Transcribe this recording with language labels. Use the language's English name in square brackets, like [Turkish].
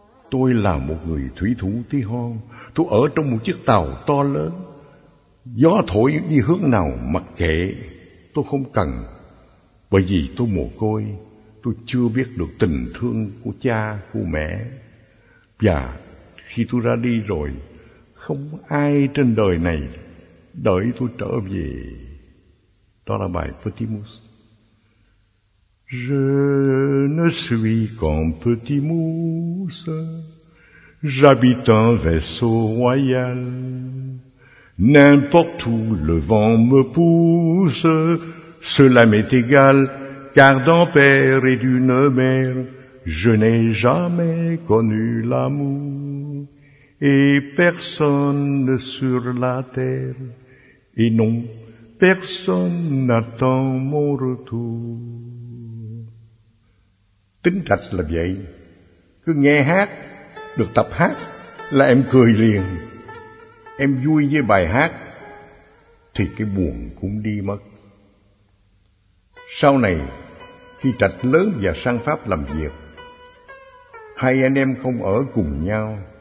[Vietnamese] Tôi là một người thủy thủ tí hon, tôi ở trong một chiếc tàu to lớn, gió thổi đi hướng nào mặc kệ, tôi không cần, bởi vì tôi mồ côi, tôi chưa biết được tình thương của cha, của mẹ. Và khi tôi ra đi rồi, không ai trên đời này đợi tôi trở về. Đó là bài Petit Mousse. [French] Je ne suis qu'un petit mousse, j'habite un vaisseau royal. N'importe où le vent me pousse, cela m'est égal, car d'un père et d'une mère, je n'ai jamais connu l'amour, et personne sur la terre, et non, personne n'attend mon retour. [Vietnamese] Tính Trạch là vậy, cứ nghe hát, được tập hát, là em cười liền. Em vui với bài hát thì cái buồn cũng đi mất. Sau này khi Trạch lớn và sang Pháp làm việc, hai anh em không ở cùng nhau.